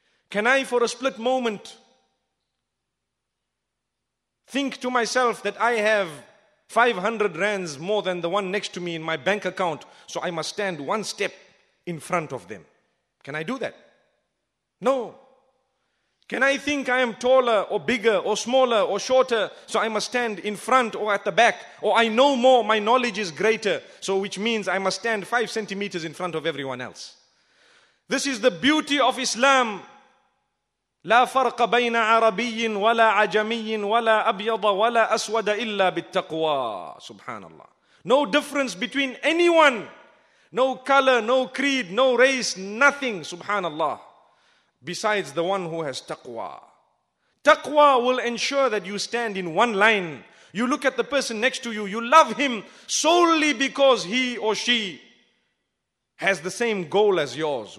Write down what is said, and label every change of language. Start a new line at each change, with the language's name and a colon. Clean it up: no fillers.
English: Can I for a split moment think to myself that I have 500 rands more than the one next to me in my bank account, so I must stand one step in front of them? Can I do that? No. Can I think I am taller or bigger or smaller or shorter, so I must stand in front or at the back, or I know more, my knowledge is greater, so which means I must stand 5 centimeters in front of everyone else? This is the beauty of Islam.
Arabic: لا فرق بين عربي ولا عجمي ولا أبيض ولا أسود إلا بالتقوى. Subhanallah.
English: No difference between anyone. No color, no creed, no race, nothing. Subhanallah. Besides the one who has taqwa. Taqwa will ensure that you stand in one line. You look at the person next to you. You love him solely because he or she has the same goal as yours.